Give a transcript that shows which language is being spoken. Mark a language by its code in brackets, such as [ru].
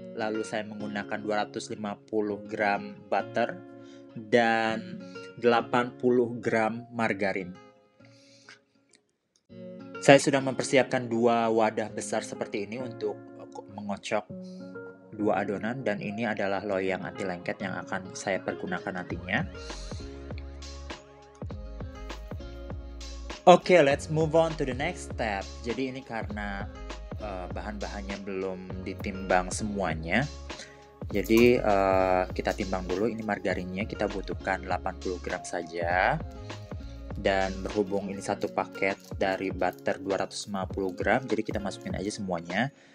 [id] Lalu saya menggunakan 250 gram butter dan 80 gram margarin. Saya sudah mempersiapkan 2 wadah besar seperti ini untuk mengocok 2 adonan, dan ini adalah loyang anti lengket yang akan saya pergunakan nantinya. [en] Okay, let's move on to the next step. [id] Jadi ini karena bahan-bahannya belum ditimbang semuanya, jadi kita timbang dulu. Ini margarinnya kita butuhkan 80 gram saja. Dan berhubung ini satu paket dari butter 250 gram, jadi kita masukin aja semuanya.